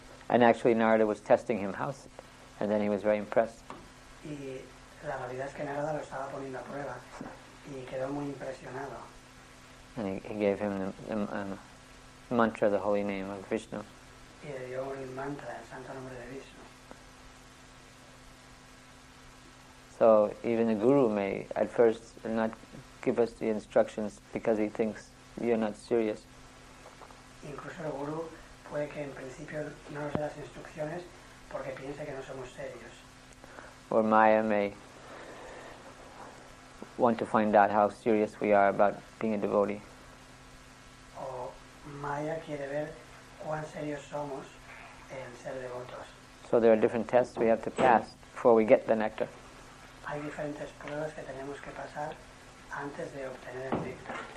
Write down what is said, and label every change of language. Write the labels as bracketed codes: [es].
[en] And actually Narada was testing him, and then he was very impressed. [es] Y la realidad es que Narada lo estaba poniendo a prueba y quedó muy impresionado. [en] And he gave him the mantra, the holy name of Vishnu. [es] Y le dio el mantra, el santo nombre de Vishnu. [en] So even the guru may at first not give us the instructions because he thinks you're not serious. [es] Incluso el guru puede que en principio no nos dé las instrucciones porque piense que no somos serios. [en] Or Maya may want to find out how serious we are about being a devotee. [es] O Maya quiere ver cuán serios somos en ser devotos. [en] So there are different tests we have to pass before we get the nectar. [es] Hay diferentes pruebas que tenemos que pasar antes de obtener el néctar.